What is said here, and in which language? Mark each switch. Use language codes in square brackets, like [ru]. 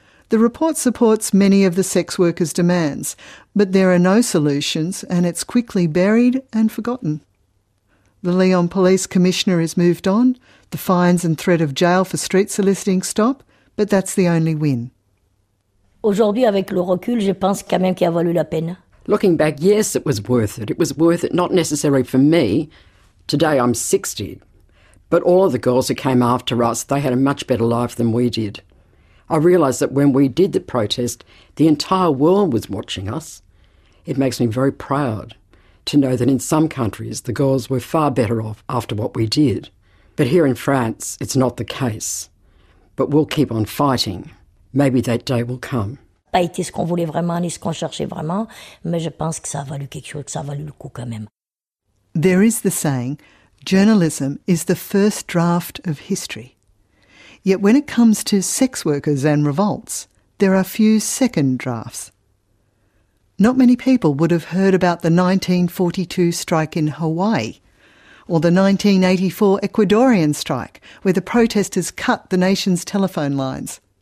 [en] The report supports many of the sex workers' demands, but there are no solutions and it's quickly buried and forgotten. The Lyon police commissioner is moved on, the fines and threat of jail for street soliciting stop, but that's the only win. [fr] Aujourd'hui, avec le recul, je pense quand même qu'il a valu la peine. [en] Looking back, yes, it was worth it. It was worth it, not necessarily for me. Today, I'm 60. But all of the girls who came after us, they had a much better life than we did. I realised that when we did the protest, the entire world was watching us. It makes me very proud to know that in some countries, the girls were far better off after what we did. But here in France, it's not the case. But we'll keep on fighting. Maybe that day will come. [fr] Pas été ce qu'on voulait vraiment ni ce qu'on cherchait vraiment, mais je pense que ça a valu quelque chose, que ça a valu le coup quand même. [en] There is the saying, journalism is the first draft of history. Yet when it comes to sex workers and revolts, there are few second drafts. Not many people would have heard about the 1942 strike in Hawaii, or the 1984 Ecuadorian strike, where the protesters cut the nation's telephone lines.